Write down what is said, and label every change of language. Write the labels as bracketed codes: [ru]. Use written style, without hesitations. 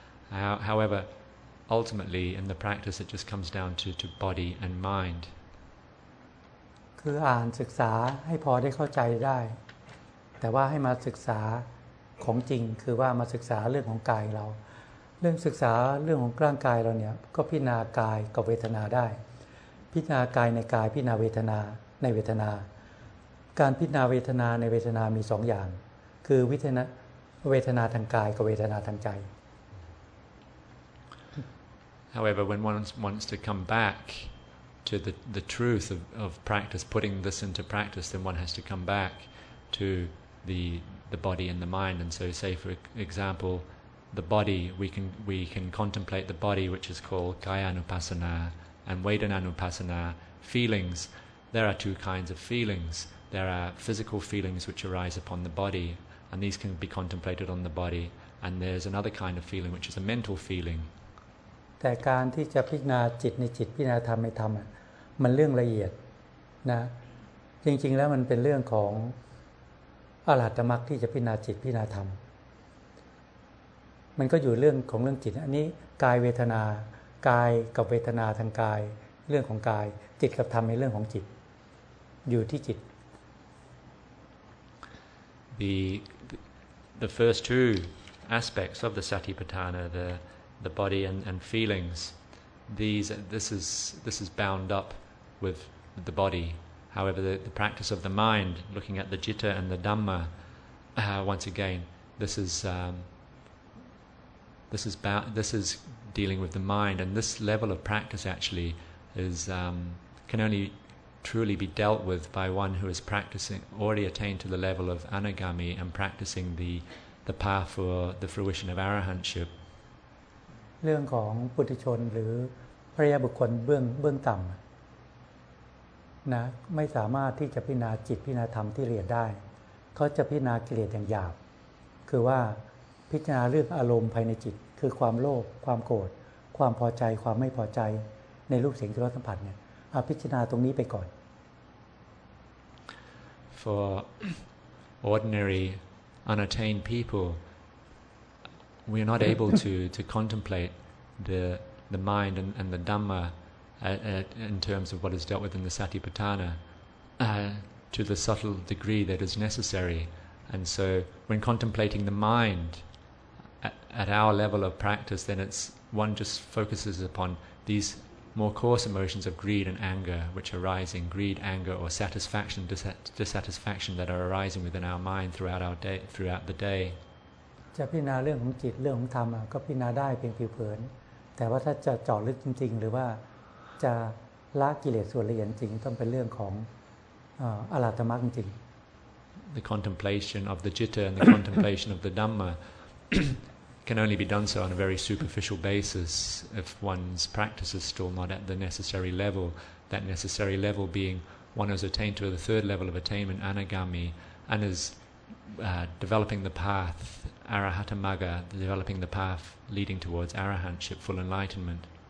[en] However, ultimately, in the practice, it just comes down to body and mind. [th] คืออ่านศึกษาให้พอได้เข้าใจได้แต่ว่าให้มาศึกษาของจริงคือว่ามาศึกษาเรื่องของกายเราเรื่องศึกษาเรื่องของร่างกายเราเนี่ยก็พิจารณากายกับเวทนาได้พิจารณากายในกายพิจารณาเวทนาในเวทนาการพิจารณาเวทนาในเวทนามี2อย่างคือเวทนาทางกายกับเวทนาทางใจ [en] However when one wants to come back to the truth of practice putting this into practice then one has to come back to the body and the mind and so say for example the body we can contemplate the body which is called kayanupassanaAnd Vedananupassana, feelings. There are two kinds of feelings. There are physical feelings which arise upon the body, and these can be contemplated on the body. And there's another kind of feeling which is a mental feeling. [th] แต่การที่จะพิจารณาจิตในจิตพิจารณาธรรมในธรรมมันเรื่องละเอียดนะจริงๆแล้วมันเป็นเรื่องของอรหัตตมรรคที่จะพิจารณาจิตพิจารณาธรรมมันก็อยู่เรื่องของเรื่องจิตอันนี้กายเวทนากายกับเวทนาทางกายเรื่องของกายจิตกับธรรมในเรื่องของจิตอยู่ที่จิต [en] The first two aspects of the Satipatthana the body and feelings this is bound up with the body however the practice of the mind looking at the jitta and the dhamma once again this is dealing with the mind and this level of practice actually is can only truly be dealt with by one who is practicing already attained to the level of anagami and practicing the the path for the fruition of arahantship. [th] เรื่องของปุถุชนหรือพระญาบุคคลเบื้องต่ำนะไม่สามารถที่จะพิจารณาจิตพิจารณาธรรมที่ละเอียดได้เขาจะพิจารณากิเลสอย่างหยาบคือว่าพิจารณาเรื่องอารมณ์ภายในจิตคือความโลภความโกรธความพอใจความไม่พอใจในรูปเสียงรสสัมผัสเนี่ยพิจารณาตรงนี้ไปก่อน [en] For ordinary unattained people we are not able to contemplate the mind and the dhammain terms of what is dealt with in the Satipatthana to the subtle degree that is necessary. And so when contemplating the mind at our level of practice, then it's one just focuses upon these more coarse emotions of greed and anger which are arising, greed, anger, or satisfaction, dissatisfaction that are arising within our mind throughout our day, throughout the day. [th] จะพิจารณาเรื่องของจิตเรื่องของธรรมก็พิจารณาได้เพียงผิวเผินแต่ว่าถ้าจะเจาะลึกจริงๆหรือว่าจะละกิเลสส่วนละเอียดจริงต้องเป็นเรื่องของอารัตถมรรคจริง [en] The contemplation of the jitta and the contemplation of the dhamma can only be done so on a very superficial basis if one's practice is still not at the necessary level. That necessary level being one has attained to the third level of attainment, anagami, and is developing the path arahatamaga, developing the path leading towards arahantship, full enlightenment.